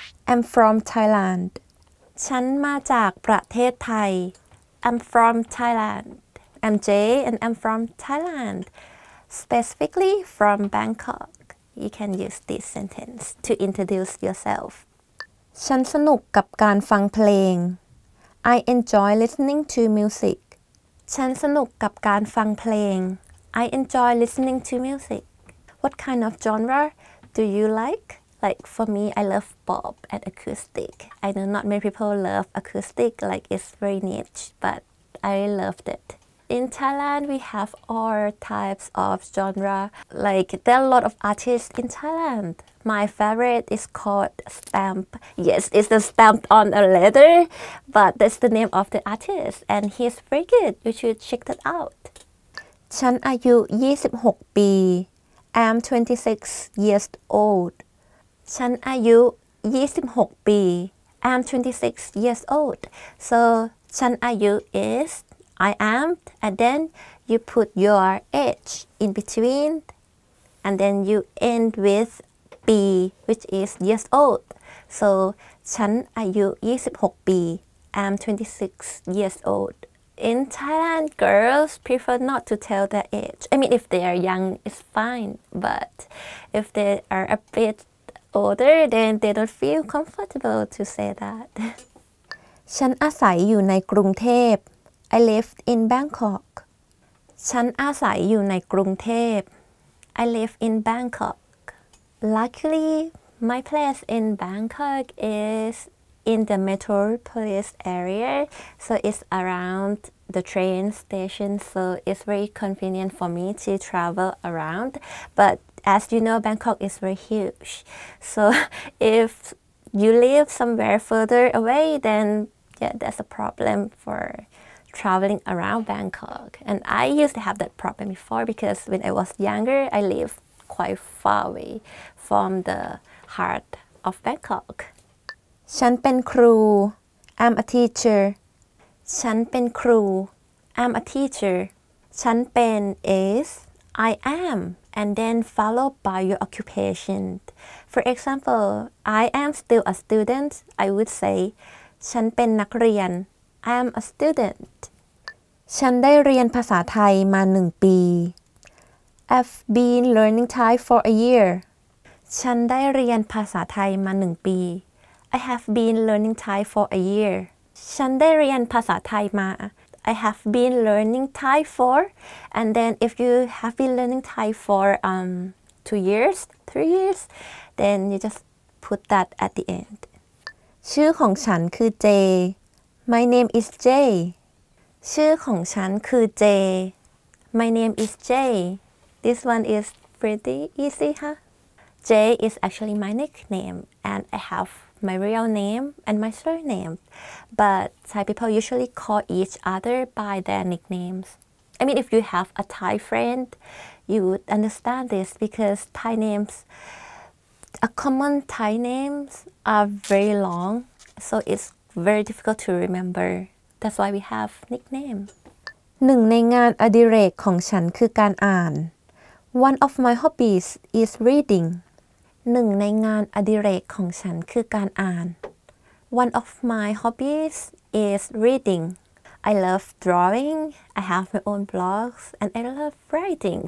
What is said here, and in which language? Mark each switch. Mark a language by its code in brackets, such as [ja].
[en] I'm from Thailand. [th] ฉันมาจากประเทศไท [en] ย I'm from Thailand. I'm Jay and I'm from Thailand. Specifically from Bangkok. You can use this sentence to introduce yourself. [th] ฉันสนุกกับการฟังเพลง [en] I enjoy listening to music. [th] ฉันสนุกกับการฟังเพลง [en] I enjoy listening to music. What kind of genre do you like? Like for me, I love pop and acoustic. I know not many people love acoustic, like it's very niche, but I loved it. In Thailand, we have all types of genre. Like there are a lot of artists in Thailand. My favorite is called Stamp. Yes, it's the stamp on a letter, but that's the name of the artist, and he's very good. You should check that out. [th] ฉันอายุ26ปี [en] I'm 26 years old. [th] ฉันอายุ26ปี [en] I'm 26 years old. So, [th] ฉันอายุ [en] is I am, and then you put your age in between, and then you end with B, which is years old. So, [th] ฉันอายุ26ปี [en] I'm 26 years old. In Thailand, girls prefer not to tell their age. I mean, if they are young, it's fine, but if they are a bit older, then they don't feel comfortable to say that. [th] ฉันอาศัยอยู่ในกรุงเทพ [en] I live in Bangkok. [th] ฉันอาศัยอยู่ในกรุงเทพ [en] I live in Bangkok. Luckily, my place in Bangkok is in the metropolis area, so it's around the train station, so it's very convenient for me to travel around. But as you know, Bangkok is very huge. So if you live somewhere further away, then yeah, that's a problem for traveling around Bangkok. And I used to have that problem before because when I was younger, I lived quite far away from the heart of Bangkok. [th] ฉันเป็นครู [en] I'm a teacher. [th] ฉันเป็นครู [en] I'm a teacher. [th] ฉันเป็น [en] is I am, and then followed by your occupation. For example, I am still a student. I would say [th] ฉันเป็นนักเรียน [en] I am a student. [th] ฉันได้เรียนภาษาไทยมา1ปี [en] I've been learning Thai for a year. [th] ฉันได้เรียนภาษาไทยมา1ปี [en] I have been learning Thai for a year. [th] ฉันได้เรียนภาษาไทยมา [en] I have been learning Thai for, and then if you have been learning Thai for 2 years, 3 years, then you just put that at the end. [th] ชื่อของฉันคือเจ [en] My name is Jay. [th] ชื่อของฉันคือเจ [en] My name is Jay. This one is pretty easy, huh? Jay is actually my nickname, and I have my real name and my surname. But Thai people usually call each other by their nicknames. I mean, if you have a Thai friend, you would understand this because Thai names, a common Thai names are very long. So it's very difficult to remember. That's why we have nickname. [th] หนึ่งในงานอดิเรกของฉันคือการอ่าน [en] One of my hobbies is reading. [th] หนึ่งในงานอดิเรกของฉันคือการอ่าน [en] One of my hobbies is reading. I love drawing. I have my own blogs and I love writing.